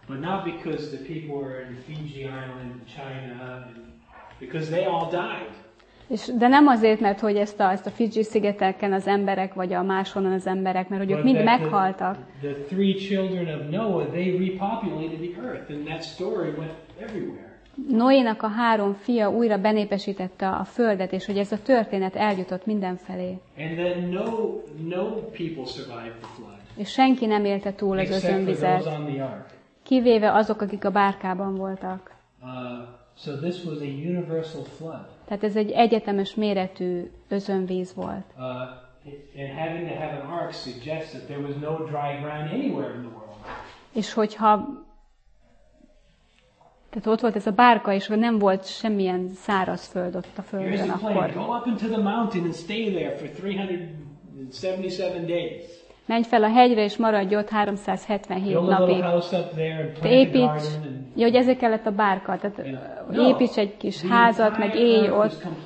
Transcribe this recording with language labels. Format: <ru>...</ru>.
<en>But not because the people were in Fiji Island, China, because they all died.</en> <hu>És de nem azért, mert hogy ezt a Fidzsi szigeteken az emberek vagy a máshonnan az emberek, mert hogy ők mind meghaltak.</hu> <en>The three children of Noah, they repopulated the earth, and that story went everywhere.</en> <hu>Noénak a három fia újra benépesítette a földet, és hogy ez a történet eljutott mindenfelé.</hu> <en>And then no people survived the flood.</en> <hu>És senki nem élte túl az özönvizet. Kivéve azok, akik a bárkában voltak.</hu> <en>So this was a universal flood.</en> <hu>Tehát ez egy egyetemes méretű özönvíz volt.</hu> <en>And having to have an ark suggests that there was no dry ground anywhere in the world.</en> <hu>És hogyha tehát ott volt ez a bárka, és nem volt semmilyen száraz föld ott a földön akkor.</hu> <en>Go up into the mountain and stay there for 377 days.</en> <hu>Menj fel a hegyre, és maradj ott 377 napig. Építs, ja, hogy ezért kellett a bárka, tehát építs egy kis házat, meg élj ott.</hu>